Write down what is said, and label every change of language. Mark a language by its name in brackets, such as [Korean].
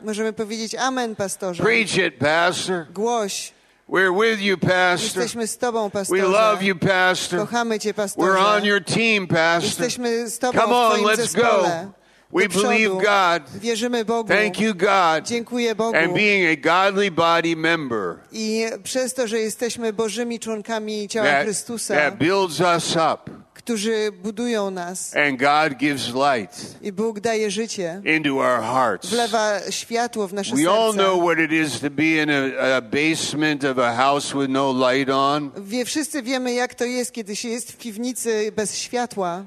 [Polish] Możemy powiedzieć amen, pastorze. [English] Preach it, pastor. [Polish] Głoś. [English] We're with you, pastor. [Polish] Jesteśmy z tobą, pastorze. [English] We love you, pastor. [Polish] Kochamy cię, pastorze. [English] We're on your team, pastor. [Polish] Jesteśmy z tobą. [English] Come on, let's go. We believe God. [Polish] Wierzymy Bogu. [English] Thank you, God. [Polish] Dziękuję Bogu. [English] And being a godly body member. [Polish] I przez to, że jesteśmy Bożymi członkami ciała Chrystusa. [English] That builds us up. [Polish] Którzy budują nas. [English] And God gives light. [Polish] I Bóg daje życie. [English] Into our hearts. [Polish] Wlewa światło w nasze serca. [English] We all know what it is to be in a basement of a house with no light on. [Polish] Wszyscy wiemy, jak to jest, kiedy się jest w piwnicy bez światła.